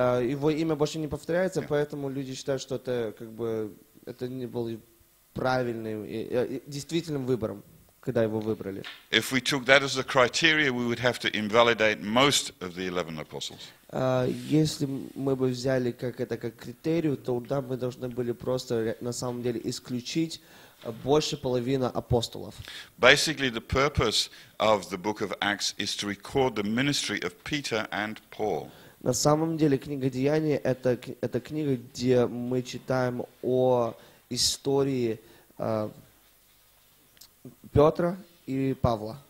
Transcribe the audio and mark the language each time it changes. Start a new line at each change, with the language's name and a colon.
Russian: Его имя больше не повторяется, поэтому люди считают, что это как бы это не был правильным, действительным выбором, когда его выбрали.
English: If we took that as a criteria, we would have to invalidate most of the 11 apostles.
Russian: Если мы бы взяли как это как критерию, то да, мы должны были просто на самом деле исключить больше половины апостолов.
English: Basically, the purpose of the book of Acts is to record the ministry of Peter and Paul.
Russian: На самом деле, книга Деяний это книга, где мы читаем о истории Петра и Павла.